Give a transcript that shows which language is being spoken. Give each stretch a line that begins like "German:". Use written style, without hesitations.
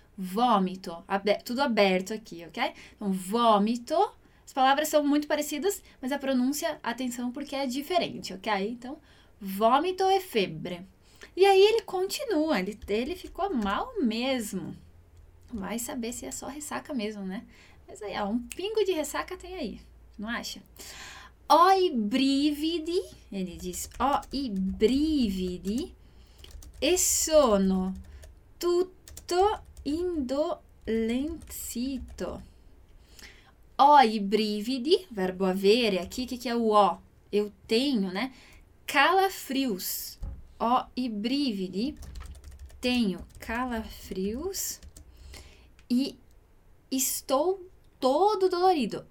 Portuguese: vômito, tudo aberto aqui, ok? Então, vômito, as palavras são muito parecidas, mas a pronúncia, atenção, porque é diferente, ok? Então, vômito e febre. E aí ele continua, ele ficou mal mesmo. Vai saber se é só ressaca mesmo, né? Mas aí, ó, um pingo de ressaca tem aí, não acha?
Italian: Ho i brividi,
Portuguese: ele diz,
Italian: ho i brividi e sono tutto indolenzito. Ho i brividi,
Portuguese: verbo avere aqui, o que é o ho? Eu tenho, né? Calafrios.
Italian: Ho i brividi,
Portuguese: tenho calafrios e estou todo dolorido.